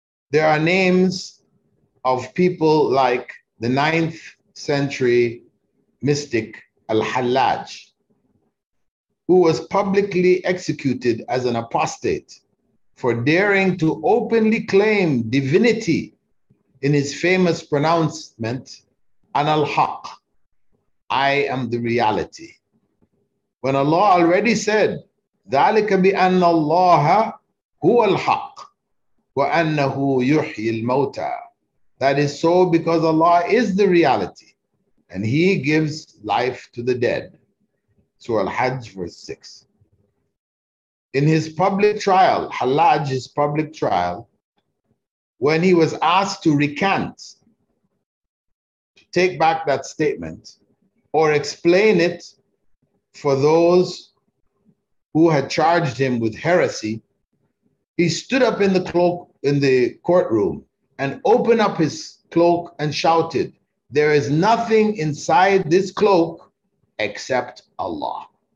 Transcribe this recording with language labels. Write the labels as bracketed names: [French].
[English] there are names of people like the 9th century mystic Al-Hallaj, who was publicly executed as an apostate for daring to openly claim divinity in his famous pronouncement, An-al-Haq, I am the reality. When Allah already said, [Arabic] ذَلِكَ بِأَنَّ اللَّهَ هُوَ الْحَقِّ وَأَنَّهُ يُحْيِي الْمَوْتَى. [English] That is so because Allah is the reality and he gives life to the dead. Surah Al-Hajj, verse 6. In his public trial, Hallaj's public trial, when he was asked to recant, to take back that statement, or explain it for those who had charged him with heresy, he stood up in the cloak in the courtroom and opened up his cloak and shouted, there is nothing inside this cloak except Allah.